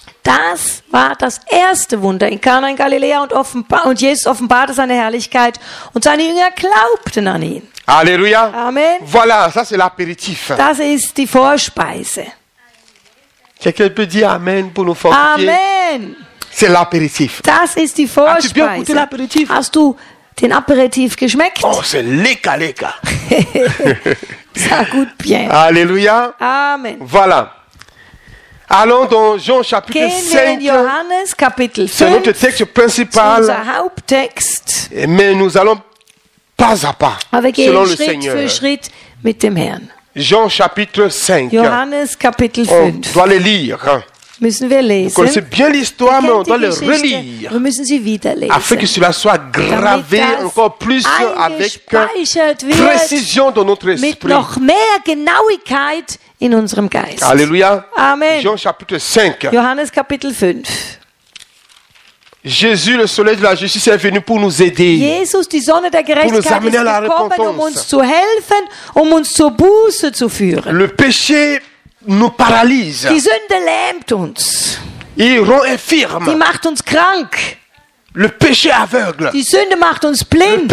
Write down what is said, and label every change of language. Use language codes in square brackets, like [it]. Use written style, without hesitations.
[de] Das war das erste Wunder in Kana in Galiläa und Jesus offenbarte seine Herrlichkeit und seine Jünger glaubten an ihn. [fr] Alléluia. Amen. Voilà, ça c'est l'apéritif. [de] Das ist die Vorspeise. [fr] Quelqu'un peut dire Amen pour nous fortifier. Amen. C'est l'apéritif. [de] Das ist die Vorspeise. [fr] As-tu bien goûté l'apéritif? [de] Hast du den Aperitif geschmeckt? [fr] Oh, c'est [de] lecker, lecker. [fr] Ça goûte bien. Alléluia. Amen. Voilà. Allons dans Jean chapitre [de] Gehen [fr] 5. [de] Gehen wir in Johannes, Kapitel 5. [fr] C'est notre texte principal. C'est notre [de] Haupttext. [fr] Mais nous allons pas à pas, Avec selon le [de] Schritt [fr] Seigneur. [de] Für Schritt mit dem Herrn. [fr] Jean chapitre 5. [de] Johannes, Kapitel 5. [fr] On doit les lire. [de] Müssen wir lesen. [fr] Vous connaissez bien l'histoire, mais on doit le relire. [de] Wir müssen sie wieder lesen. [fr] Afin que cela soit gravé encore plus avec précision dans notre esprit. [de] Mit noch mehr Genauigkeit in unserem Geist. [fr] Alléluia. Amen. Jean chapitre 5. [de] Johannes Kapitel 5. [fr] Jésus, le soleil de la justice, est venu pour nous aider. [de] Jesus, die Sonne der Gerechtigkeit, ist gekommen, [fr] repentance. [de] Um uns zu helfen, um uns zur Buße zu führen. [fr] Le péché nous paralyse. [de] Die Sünde lähmt uns. [fr] Il rend infirme. [de] Die macht uns krank. [fr] Le péché aveugle. [de] Die Sünde macht uns blind.